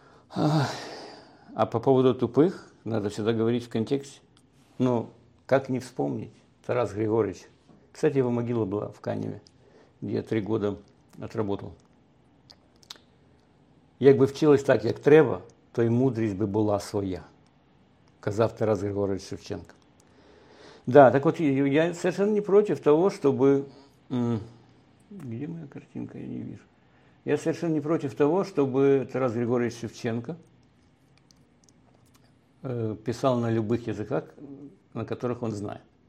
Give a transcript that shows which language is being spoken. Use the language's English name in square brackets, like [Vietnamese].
[Russian] А по поводу тупых, надо всегда говорить в контексте. Ну, как не вспомнить Тарас Григорьевич. Кстати, его могила была в Каневе, где я 3 года отработал. [Ukrainian] Як бы вчилось так, як треба, то и мудрость бы была своя. Казав Тарас Григорович Шевченко. [Russian] Да, так вот, я совершенно не против того, чтобы... Где моя картинка? Я не вижу. Я совершенно не против того, чтобы Тарас Григорьевич Шевченко писал на любых языках, на которых он знает.